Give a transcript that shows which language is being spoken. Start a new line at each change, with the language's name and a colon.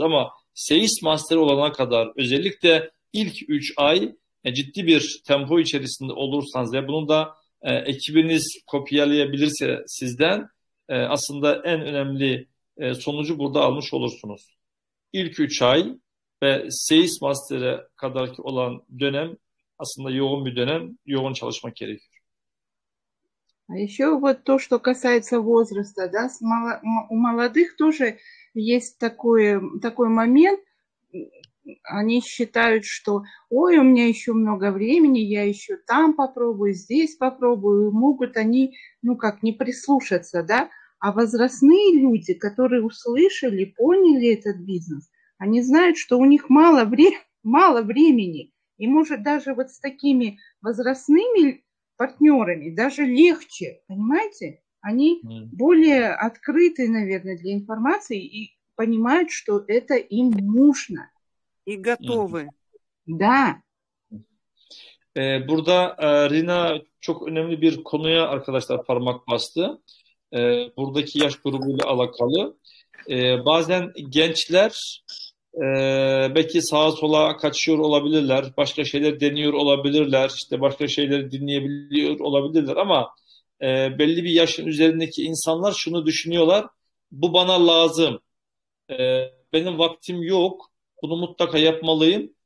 Turkish: Ama Sales Master olana kadar özellikle ilk 3 ay ciddi bir tempo içerisinde olursanız ve bunu da ekibiniz kopyalayabilirse sizden, aslında en önemli sonucu burada almış olursunuz. İlk 3 ay ve Sales Master'e kadarki olan dönem aslında yoğun bir dönem, yoğun çalışmak gerekiyor.
Russian: А еще вот то, что касается возраста, да, у молодых тоже есть такой момент, они считают, что ой, у меня еще много времени, я еще там попробую, здесь попробую, могут они, ну как, не прислушаться, да? А возрастные люди, которые услышали, поняли этот бизнес, они знают, что у них мало времени. И может даже вот с такими возрастными партнерами даже легче, понимаете? Они более открыты, наверное, для информации и понимают, что это им нужно. И готовы. Да.
Turkish: Burada Rina çok önemli bir konuya arkadaşlar parmak bastı. Buradaki yaş grubuyla alakalı. Bazen gençler belki sağa sola kaçıyor olabilirler, başka şeyler deniyor olabilirler, işte başka şeyler dinleyebiliyor olabilirler ama belli bir yaşın üzerindeki insanlar şunu düşünüyorlar: bu bana lazım, benim vaktim yok, bunu mutlaka yapmalıyım.